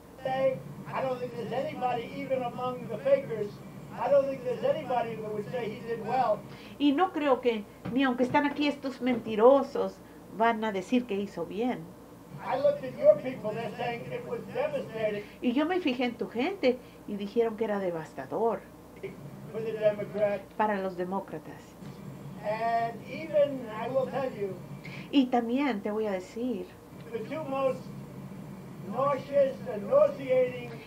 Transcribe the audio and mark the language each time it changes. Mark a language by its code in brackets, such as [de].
[en] Today, I don't think there's anybody, even among the fakers, I don't think there's anybody who would say he did well. [es] Y no creo que, ni aunque están aquí estos mentirosos, van a decir que hizo bien. [en] I looked at your people, they're saying it was devastating. [es] Y yo me fijé en tu gente y dijeron que era devastador. [en] For the Democrats. [es] Para los demócratas. [en] And even, I will tell you, [es] y también te voy a decir, [en] the two most nauseous and nauseating,